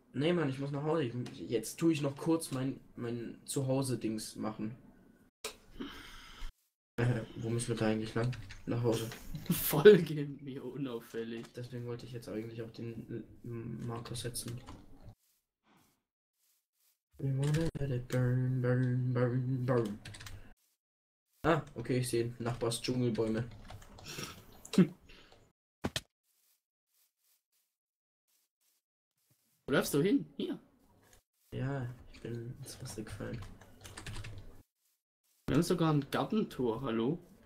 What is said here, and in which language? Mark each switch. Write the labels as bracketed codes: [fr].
[de] Nee, Mann, ich muss nach Hause. Jetzt tue ich noch kurz mein Zuhause-Dings machen. Wo müssen wir da eigentlich lang? Nach Hause. Voll gehen wir unauffällig. Deswegen wollte ich jetzt eigentlich auf den Marker setzen. [en] We wanna let it burn, burn, burn, burn. [de] Ah, okay, ich sehe Nachbars Dschungelbäume. Wo läufst du hin? Hier. Ja, ich bin ins Wasser gefallen. Wir haben sogar ein Gartentor, hallo?